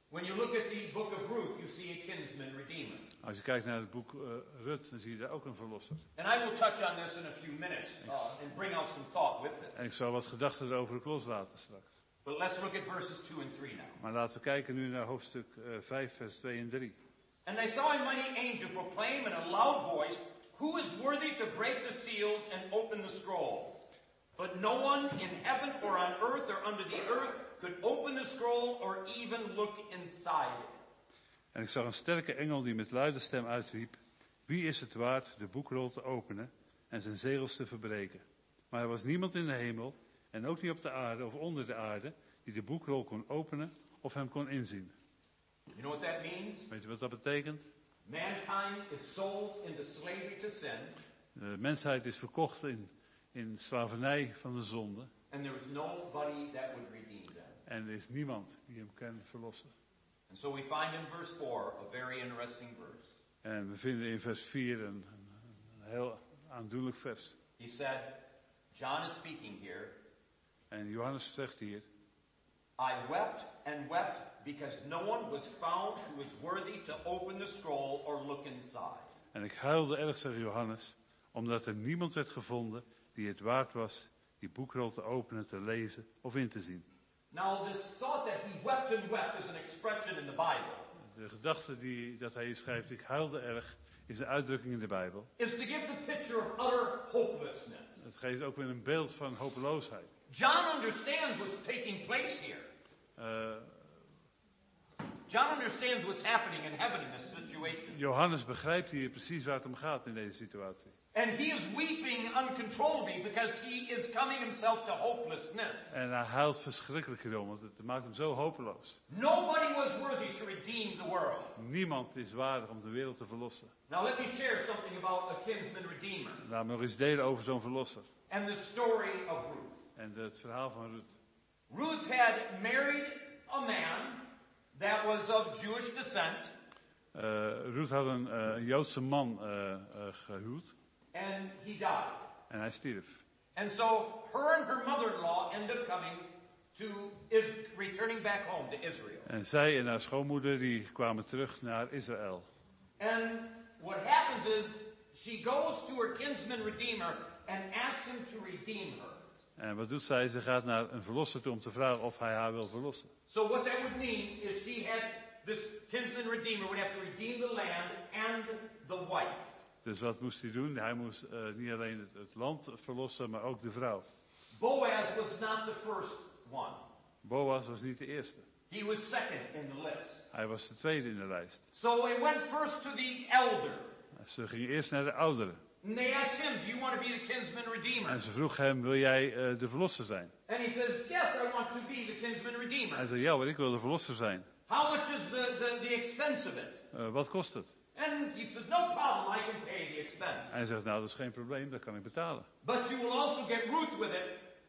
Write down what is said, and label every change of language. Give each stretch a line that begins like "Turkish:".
English: When you look at the book of Ruth, you see a kinsman redeemer.
Dutch: Als je kijkt naar het boek Ruth, dan zie je daar ook een verlosser.
English: And I will touch on this in a few minutes and bring out some thought with it.
Dutch: En ik zal wat gedachten erover loslaten straks.
English: But let's look at verses 2 and 3 now.
Dutch: Maar laten we kijken nu naar hoofdstuk 5 vers 2 en 3.
English: And I saw a mighty angel proclaim in a loud voice, who is worthy to break the seals and open the scroll? But no one in heaven or on earth or under the earth could open the scroll or even look inside it.
Dutch: En ik zag een sterke engel die met luide stem uitriep: wie is het waard de boekrol te openen en zijn zegels te verbreken? Maar er was niemand in de hemel en ook niet op de aarde of onder de aarde die de boekrol kon openen of hem kon inzien.
English: You know what that means?
Dutch: Weet je wat dat betekent?
English: Mankind is sold into slavery to sin.
Dutch: De mensheid is verkocht in slavernij van de zonde.
English: And there is nobody that would redeem them.
Dutch: En er is niemand die hem kan verlossen.
English: And so we find in verse 4 a very interesting verse.
Dutch: En we vinden in vers 4 een heel aandoenlijk vers.
English: He said, John is speaking here.
Dutch: En Johannes zegt hier:
English: I wept and wept because no one was found who was worthy to open the scroll or look inside.
Dutch: En ik huilde erg, zegt Johannes, omdat er niemand werd gevonden die het waard was die boekrol te openen, te lezen of in te zien.
English: Now this thought that he wept and wept is an expression in the Bible.
Dutch: De gedachte die dat hij schrijft, ik huilde erg, is een uitdrukking in de Bijbel.
English: Is to give the picture of utter hopelessness.
Dutch: Het geeft ook weer een beeld van hopeloosheid.
English: John understands what's taking place here. John understands what's happening in heaven in this situation.
Dutch: Johannes begrijpt hier precies waar het om gaat in deze situatie.
English: And he is weeping uncontrollably because he is coming himself to hopelessness.
Dutch: En hij huilt verschrikkelijk hierom, want het maakt hem zo hopeloos.
English: Nobody was worthy to redeem the world.
Dutch: Niemand is waardig om de wereld te verlossen.
English: Now let me share something about a kinsman redeemer.
Dutch: Laat me nog eens delen over zo'n verlosser.
English: And the story of Ruth.
Dutch: En het verhaal van Ruth.
English: Ruth had married a man that was of Jewish descent.
Dutch: Ruth had een Joodse man gehuwd.
English: And he died.
Dutch: En hij stierf.
English: And so her and her mother-in-law ended up coming to returning back home to Israel.
Dutch: En zij en haar schoonmoeder die kwamen terug naar Israël.
English: And what happens is she goes to her kinsman redeemer and asks him to redeem her.
Dutch: En wat doet zij? Ze gaat naar een verlosser toe om te vragen of hij haar wil verlossen.
English: So what that would mean is she had this kinsman redeemer would have to redeem the land and the wife.
Dutch: Dus wat moest hij doen? Hij moest niet alleen het land verlossen, maar ook de vrouw.
English: Boaz was not the first one.
Dutch: Boaz was niet de eerste.
English: He was second in the list.
Dutch: Hij was de tweede in de lijst.
English: So he went first to the elder.
Dutch: Ze gingen eerst naar de ouderen.
English: And they asked him, "Do you want to be the kinsman redeemer?"
Dutch: En ze vroeg hem, "Wil jij de verlosser zijn?"
English: And he says, "Yes, I want to be the kinsman redeemer."
Dutch: Hij zei, "Ja, maar ik wil de verlosser zijn."
English: How much is the expense of it?
Dutch: Wat kost het?
English: And he says, "No problem, I can pay the expense."
Dutch: Hij zegt, "Nou, dat is geen probleem, dat kan ik betalen."
English: But you will also get Ruth with it.